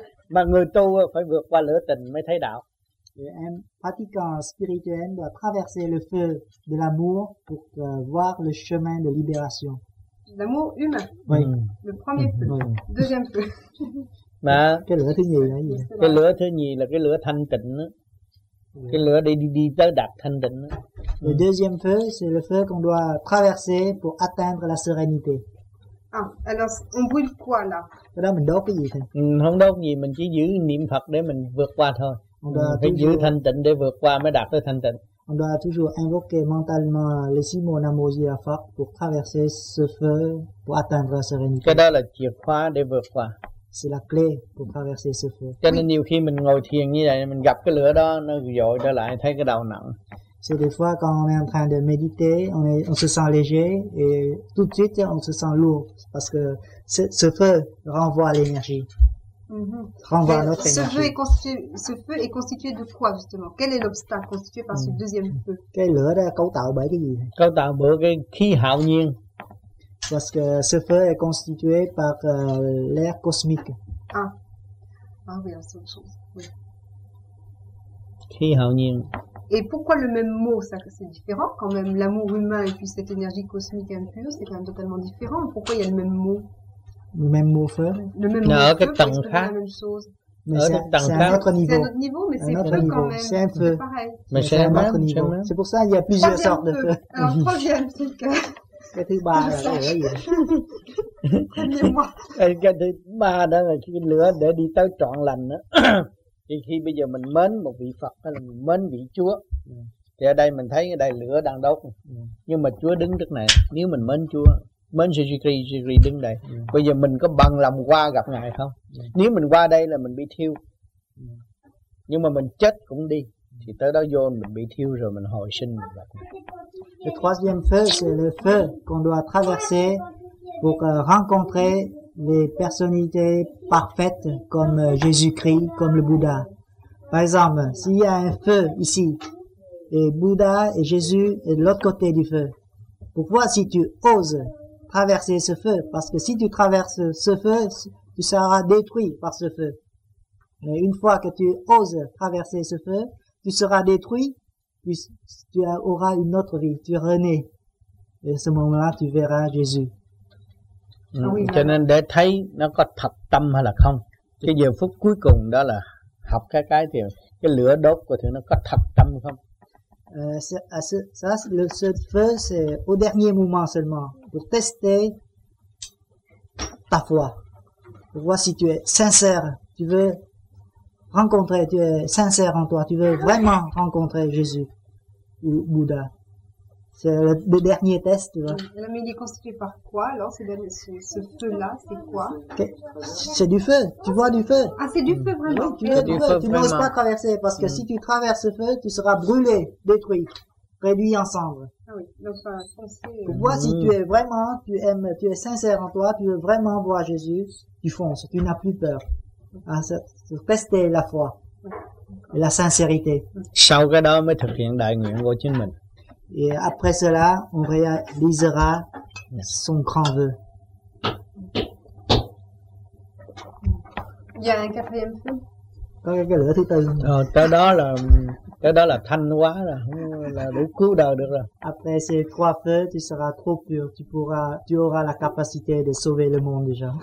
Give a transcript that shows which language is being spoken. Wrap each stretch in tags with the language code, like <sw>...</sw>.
<vi>Mà người tu phải vượt qua lửa tình mới thấy đạo.</vi> <fr>Et un pratiquant spirituel doit traverser le feu de l'amour pour voir le chemin de libération. L'amour humain. Oui. Le premier feu. Oui. Deuxième feu.</fr> <vi>Mà, cái lửa thứ nhì là gì? Cái lửa thứ nhì là cái lửa thanh tịnh. Cái lửa đi tới đạt thanh tịnh.</vi> <fr>Le deuxième feu, c'est le feu qu'on doit traverser pour atteindre la sérénité. Ah, alors on brûle quoi là?</fr> <vi>Cái đó mình đốt cái gì thôi? Không đốt gì, mình chỉ giữ niệm Phật để mình vượt qua thôi. Phải giữ thanh tịnh để vượt qua mới đạt tới thanh tịnh.</vi> <fr>On doit toujours invoquer mentalement les six mots Nam Mô Di Đà Phật pour traverser ce feu, pour atteindre la sérénité.</fr> <vi>Cái đó là chìa khóa để vượt qua.</vi> <fr>C'est la clé pour traverser ce feu.</fr> <vi>Cho nên nhiều khi mình ngồi thiền như vậy, mình gặp cái lửa đó, nó dội trở lại, thấy cái đầu nặng.</vi> <fr>C'est des fois quand on est en train de méditer, on se sent léger et tout de suite on se sent lourd parce que ce feu renvoie l'énergie. Renvoie notre énergie. Ce feu est constitué de quoi justement? Quel est l'obstacle constitué par ce deuxième feu?</fr> <vi>Cái lửa đó cấu tạo bởi cái gì? Cấu tạo bởi cái khí hạo nhiên.</vi> <fr>Parce que ce feu est constitué par l'air cosmique. Ah oui, c'est autre chose.</fr> <vi>Khí hạo nhiên.</vi> <fr>Et pourquoi le même mot, ça, c'est différent quand même, l'amour humain et puis cette énergie cosmique impure, c'est quand même totalement différent. Pourquoi il y a le même mot? Le même mot feu? Le même mot feu, c'est la même chose. Mais c'est un autre niveau. C'est un autre niveau, mais c'est un autre feu niveau. Quand même. C'est un feu. Mais c'est un autre même, niveau. C'est pour ça qu'il y a plusieurs sortes de feu. Alors, troisième, c'est le cas.</fr> <vi>Cái thứ ba đó là cái lửa để đi tới trọn lành đó. Thì khi bây giờ mình mến một vị Phật hay là mình mến vị Chúa, thì ở đây mình thấy ở đây lửa đang đốt, nhưng mà Chúa đứng trước này. Nếu mình mến Chúa, mến Sri Kri đứng đây, bây giờ mình có bằng lòng qua gặp Ngài không? Nếu mình qua đây là mình bị thiêu, nhưng mà mình chết cũng đi, thì tới đó vô mình bị thiêu rồi mình hồi sinh mình gặp Ngài.</vi> <fr>Le troisième feu, c'est le feu qu'on doit traverser pour rencontrer les personnalités parfaites comme Jésus-Christ, comme le Bouddha. Par exemple, s'il y a un feu ici, et Bouddha et Jésus est de l'autre côté du feu, pourquoi si tu oses traverser ce feu? Parce que si tu traverses ce feu, tu seras détruit par ce feu. Mais une fois que tu oses traverser ce feu, tu seras détruit. Tu auras une autre vie, tu es rené. Et à ce moment-là, tu verras Jésus.</fr> <vi>Cho nên để thấy nó có thật tâm hay là không. Cái giờ phút cuối cùng đó là học cái thì cái lửa đốt của thiền nó có thật tâm không?</vi> <fr>Ce feu, c'est au dernier moment seulement, pour tester ta foi, pour voir si tu es sincère, tu veux rencontrer, tu es sincère en toi, tu veux vraiment rencontrer Jésus ou Bouddha. C'est le dernier test, tu vois. Mais il est constitué par quoi, alors, ce feu-là, c'est quoi? C'est du feu, tu vois du feu. Ah, c'est du feu, vraiment? Oui, tu veux du feu, tu n'oses pas traverser, parce que si tu traverses ce feu, tu seras brûlé, détruit, réduit en cendres. Ah oui, donc foncer... Vois si tu es vraiment, tu aimes, tu es sincère en toi, tu veux vraiment voir Jésus, tu fonces, tu n'as plus peur. Tester la foi, la sincérité.</fr> <vi>Sau cái đó mới thực hiện đại nguyện của chính mình.</vi> <fr>Et après cela, on réalisera son grand vœu. Il y a un quatrième feu.</fr> <vi>Cái lửa thứ tư. Cái đó là thanh quá rồi, không là đủ cứu đời được rồi.</vi> <fr>Après ces trois feux, tu seras trop pur, tu auras la capacité de sauver le monde déjà.</fr>